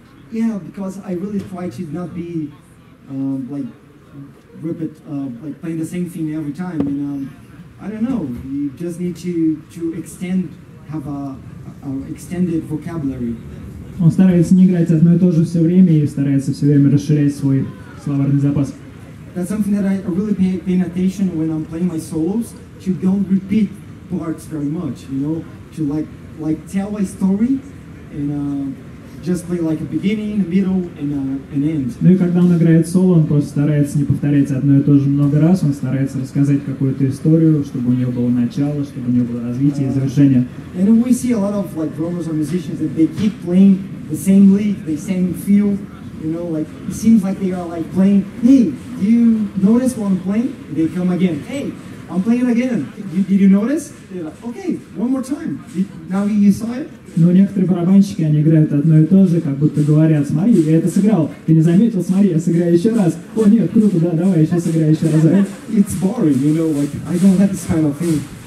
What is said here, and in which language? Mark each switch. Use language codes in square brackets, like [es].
[en] Yeah, because I really try to not be, like, repeat like playing the same thing every time, and I don't know, you just need to extend, have a extended vocabulary. [ru] Он старается не играть одно и то же все время и старается все время расширять свой словарный запас. [en] That's something that I really pay attention when I'm playing my solos, to don't repeat parts very much, you know, to like tell a story and just play like a beginning, a middle, and an end. [ru] Ну и когда он играет соло, он просто старается не повторять одно и то же много раз, он старается рассказать какую-то историю, чтобы у него было начало, чтобы у него было развитие и завершение. [en] And we see a lot of like drummers or musicians that they keep playing the same lick, the same feel, you know, like it seems like they are like playing, hey, do you notice what I'm playing? They come again, hey, I'm playing again, did you notice? They're like, okay, one more time, now you saw it? [ru] Но некоторые барабанщики, они играют одно и то же, как будто говорят, смотри, я это сыграл, ты не заметил, смотри, я сыграю еще раз. О, нет, круто, да, давай, я сейчас сыграю еще раз. [en] It's boring, you know, like, I don't have this kind of thing.